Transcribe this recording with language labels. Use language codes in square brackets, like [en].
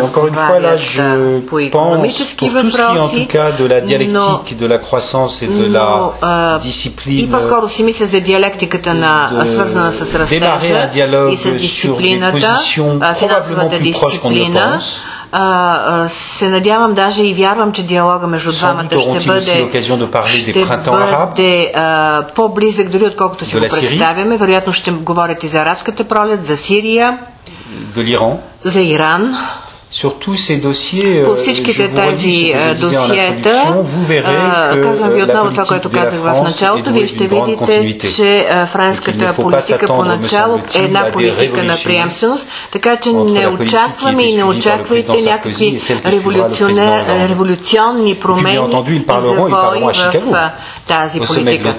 [fr] encore une fois, là, je pense, pour tout ce qui est en tout cas de la dialectique, de la croissance et de la discipline, démarrer un dialogue sur des positions probablement plus proches qu'on ne pense. [bg] Се надявам даже и вярвам, че диалога между двамата ще бъде по-близък дори отколкото си го представяме. Вероятно ще говорите за арабската пролет, за Сирия, [fr] de l'Iran. [bg] За Иран. [fr] Sur tous ces dossiers, pour [bg] всичките тези досиета, казвам ви отново това, което казах в началото, вие ще видите, че френската политика поначало е една политика на приемственост, така че не очакваме и не очаквайте някакви революционни промени и завои в тази политика.